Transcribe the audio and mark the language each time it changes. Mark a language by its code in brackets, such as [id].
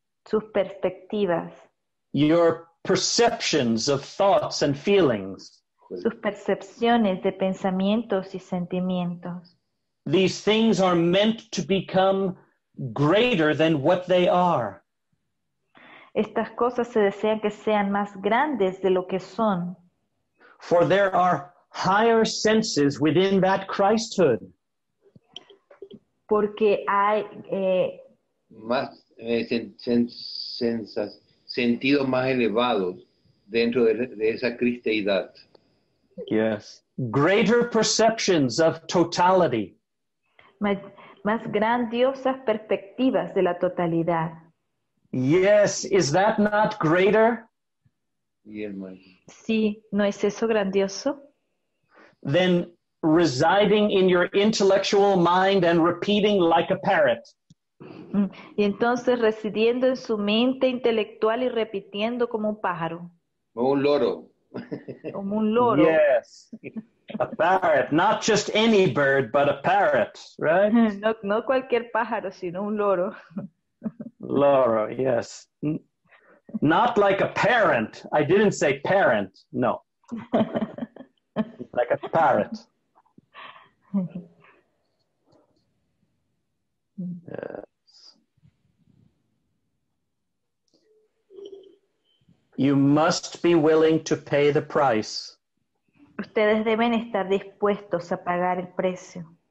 [es] Sus perspectivas. [en] Your perceptions of thoughts and feelings. [es] Sus percepciones de pensamientos y sentimientos. [en] These things are meant to become greater than what they are. [es] Estas cosas se desean que sean más grandes de lo que son. [en] For there are higher senses within that Christhood. [es] Porque hay más sentidos más elevados dentro de esa cristeidad. [en] Yes. Greater perceptions of totality. [es] más grandiosas perspectivas de la totalidad. [en] Yes, is that not greater? [es] Sí, ¿no es eso grandioso? [en] Then residing in your intellectual mind and repeating like a parrot. [es] Y entonces residiendo en su mente intelectual y repitiendo como un pájaro. Como un loro. Como un loro. [en] Yes. A parrot, not just any bird, but a parrot, right? [es] No, no cualquier pájaro, sino un loro. [en] Loro, yes. Not like a parent. I didn't say parent, no. Like a parrot. Yes. You must be willing to pay the price. [es] Ustedes deben estar dispuestos a pagar el precio.